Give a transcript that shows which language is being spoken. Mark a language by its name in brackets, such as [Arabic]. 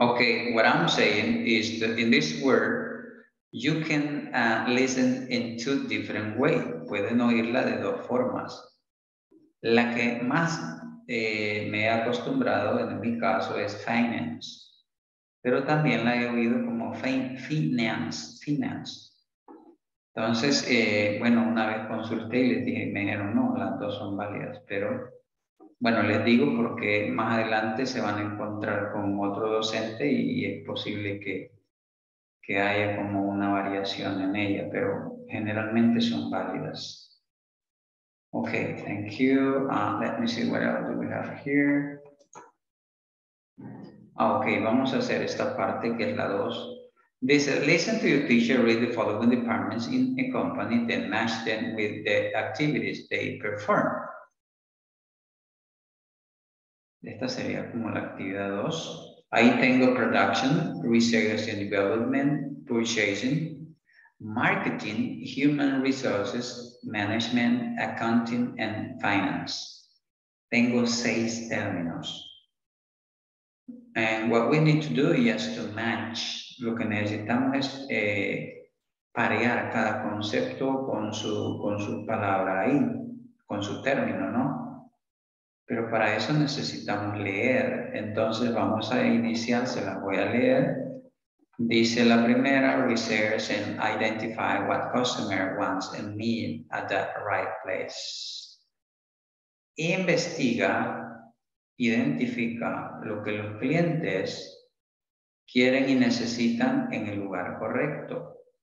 [English] Okay, what I'm saying is that in this word, you can listen in two different ways. [Spanish] Pueden oírla de dos formas. La que más me he acostumbrado en mi caso es finance. Pero también la he oído como finance. Entonces, bueno, una vez consulté y les dije, me dijeron, no, las dos son válidas. Pero, bueno, les digo porque más adelante se van a encontrar con otro docente y es posible que haya como una variación en ella, pero generalmente son válidas. [English] Okay, thank you. Let me see what else do we have here. [Spanish] Okay, vamos a hacer esta parte que es la dos. Dice, [English] listen to your teacher read the following departments in a company, then match them with the activities they perform. [Spanish] Esta sería como la actividad dos. Ahí tengo production, research and development, purchasing, marketing, human resources, management, accounting, and finance. Tengo seis términos. [English] And what we need to do is to match. [Spanish] Lo que necesitamos es parear cada concepto con su palabra ahí, con su término, ¿no? Pero para eso necesitamos leer. Entonces vamos a iniciar, se las voy a leer. Dice la primera, [English] research and identify what customer wants and need at the right place. [Spanish] Investiga, identifica lo que los clientes quieren y necesitan en el lugar correcto.